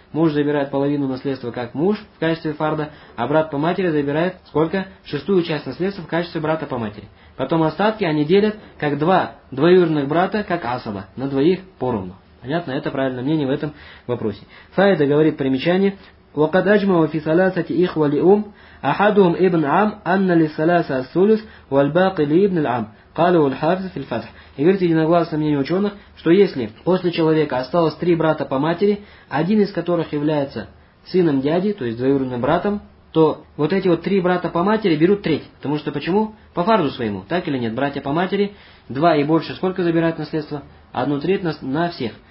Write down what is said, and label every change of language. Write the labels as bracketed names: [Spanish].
[Russian] Муж забирает половину наследства как муж в качестве фарда, а брат по матери забирает сколько? 6-ю часть наследства в качестве брата по матери. Потом остатки они делят как два двоюродных брата, как асаба, на двоих поровну. Понятно? Это правильное мнение в этом вопросе. Фаида говорит примечание. [Arabic] وقد أجمع في ثلاثة إخوة لأم أحدهم ابن عم أن للثلاثة الثلث والباقي لابن العم قالوا الحافظ في الفتح. [Russian] И говорит единогласное мнение ученых, что если после человека осталось три брата по матери, один из которых является сыном дяди, то есть двоюродным братом, то вот эти вот три брата по матери берут треть. Потому что почему? По фарзу своему. Так или нет? Братья по матери, два и больше, сколько забирают наследство? Одну треть на всех.